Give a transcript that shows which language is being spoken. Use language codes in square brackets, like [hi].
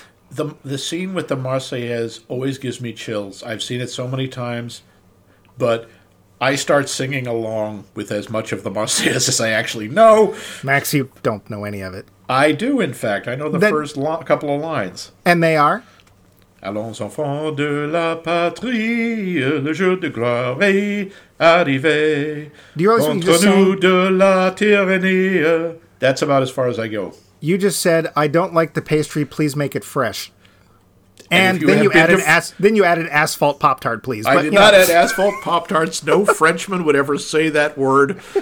[en] The scene with the Marseillaise always gives me chills. I've seen it so many times, but I start singing along with as much of the Marseillaise as I actually know. Max, you don't know any of it. I do, in fact. I know the first couple of lines. And they are? [fr] Allons enfants de la patrie, le jour de gloire est arrivé. [en] Do you realize what you just [fr] nous de la tyrannie. [en] That's about as far as I go. You just said, I don't like the pastry, please make it fresh. And then you added asphalt Pop-Tart, please. I did not add asphalt Pop-Tarts. No Frenchman would ever say that word.